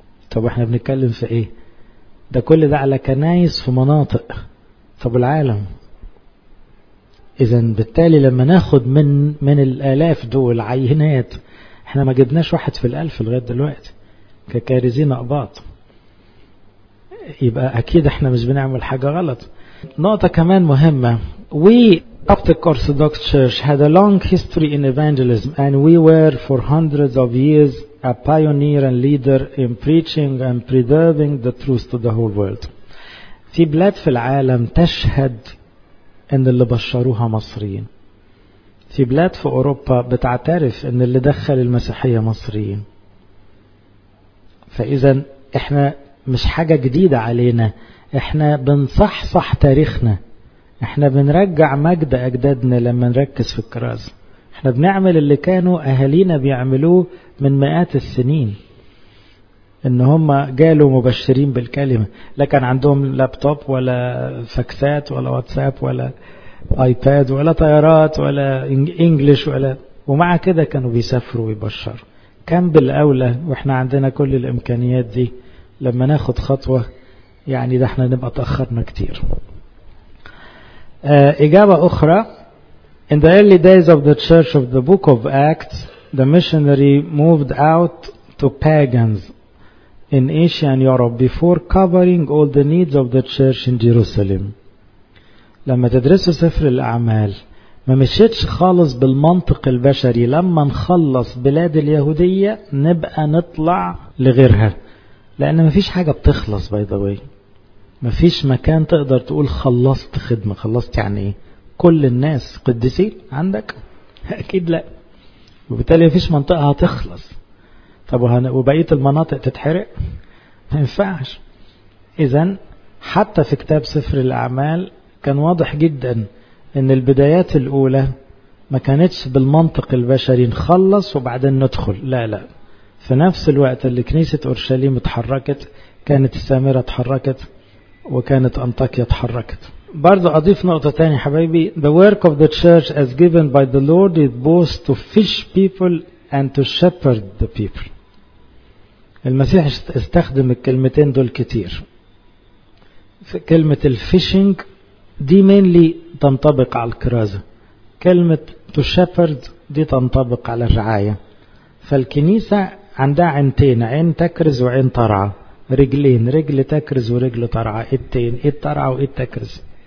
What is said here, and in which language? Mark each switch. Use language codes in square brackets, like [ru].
[ar] طب احنا بنتكلم في ايه؟ ده كل ده على كنايس في مناطق. طب العالم؟ إذن بالتالي لما ناخد من الآلاف دول عينات، احنا ما جبناش واحد في الألف لغاية دلوقتي ككارزين أقباط، يبقى أكيد احنا مش بنعمل حاجة غلط. نقطة كمان مهمة، [en] We Coptic Orthodox Church had a long history in evangelism and we were for hundreds of years a pioneer and leader in preaching and preserving the truth to the whole world. [ar] في بلاد في العالم تشهد ان اللي بشروها مصريين، في بلاد في أوروبا بتعترف أن اللي دخل المسيحية مصريين. فإذا إحنا مش حاجة جديدة علينا، إحنا بنصحصح تاريخنا، إحنا بنرجع مجد أجدادنا لما نركز في الكرازة، إحنا بنعمل اللي كانوا أهالينا بيعملوه من مئات السنين، إن هم جالوا مبشرين بالكلمة، لا كان عندهم لابتوب ولا فاكسات ولا واتساب ولا آيباد ولا طيارات ولا إنجليش ولا، ومع كده كانوا بيسافروا ويبشروا. كان بالأولى وإحنا عندنا كل الإمكانيات دي لما ناخد خطوة، يعني ده إحنا نبقى تأخرنا كتير. إجابة أخرى: [en] In the early days of the Church of the Book of Acts, the missionary moved out to pagans in Asia and Europe before covering all the needs of the church in Jerusalem. [ar] لما تدرس سفر الأعمال ما مشيتش خالص بالمنطق البشري، لما نخلص بلاد اليهودية نبقى نطلع لغيرها، لأن مفيش حاجة بتخلص. باي ذا واي مفيش مكان تقدر تقول خلصت خدمة. خلصت يعني ايه؟ كل الناس قديسين عندك؟ أكيد لا، وبالتالي مفيش منطقة هتخلص. طب وبقية المناطق تتحرق؟ مينفعش. إذن حتى في كتاب سفر الأعمال كان واضح جدا ان البدايات الاولى ما كانتش بالمنطق البشري نخلص وبعدين ندخل، لا لا، في نفس الوقت اللي كنيسة اورشليم اتحركت كانت السامرة اتحركت وكانت انطاكيا اتحركت. برضو اضيف نقطة تاني حبيبي: [en] The work of the church as given by the Lord is both to fish people and to shepherd the people. [ar] المسيح استخدم الكلمتين دول كتير. في كلمة الفيشنج دي مينلي تنطبق على الكرازة، كلمة to shepherd دي تنطبق على الرعاية. فالكنيسة عندها عينتين، عين تكرز وعين ترعى، رجلين، رجل تكرز ورجل ترعى، التين ايه؟ الترعى وايه التكرز.